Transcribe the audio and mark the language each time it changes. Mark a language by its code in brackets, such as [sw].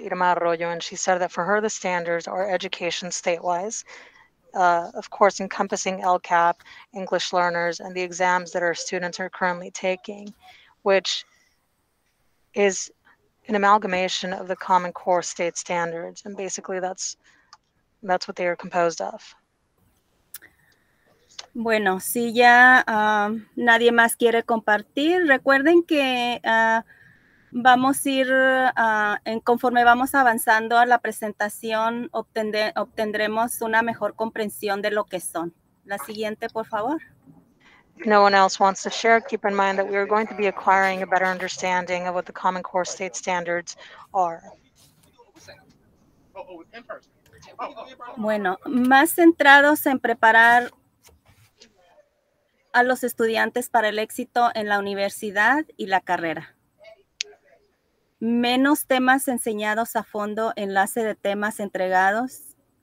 [en] Irma Arroyo, and she said that for her, the standards are education state-wise, of course, encompassing LCAP, English learners, and the exams that our students are currently taking, which is an amalgamation of the Common Core State Standards. And basically, that's what they are composed of. [es] Bueno, si ya nadie más quiere compartir, recuerden que conforme vamos avanzando a la presentación, obtendremos una mejor comprensión de lo que son. La siguiente, por favor. [en] If no one else wants to share, keep in mind that we are going to be acquiring a better understanding of what the Common Core State Standards are. [es] Bueno, más centrados en preparar a los estudiantes para el éxito en la universidad y la carrera. Menos temas enseñados a fondo, enlace de temas entregados.